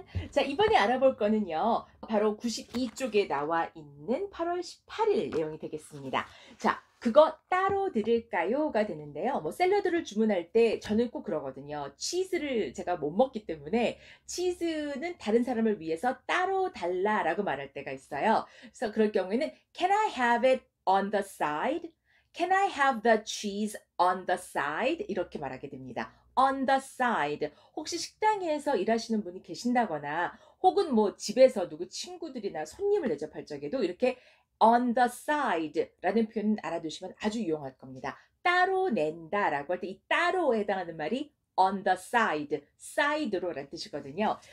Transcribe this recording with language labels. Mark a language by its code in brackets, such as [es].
[ko] 자, 이번에 알아볼 거는요, 바로 92쪽에 나와 있는 8월 18일 내용이 되겠습니다. 자, 그거 따로 드릴까요?가 되는데요. 뭐, 샐러드를 주문할 때 저는 꼭 그러거든요. 치즈를 제가 못 먹기 때문에 치즈는 다른 사람을 위해서 따로 달라라고 말할 때가 있어요. 그래서 그럴 경우에는 [en] Can I have it on the side? Can I have the cheese on the side? [ko] 이렇게 말하게 됩니다. [en] On the side. [ko] 혹시 식당에서 일하시는 분이 계신다거나, 혹은 뭐 집에서 누구 친구들이나 손님을 대접할 적에도 이렇게 [en] on the side [ko] 라는 표현 알아두시면 아주 유용할 겁니다. 따로 낸다라고 할때이 따로에 해당하는 말이 [en] on the side, [ko] side로란 뜻이거든요.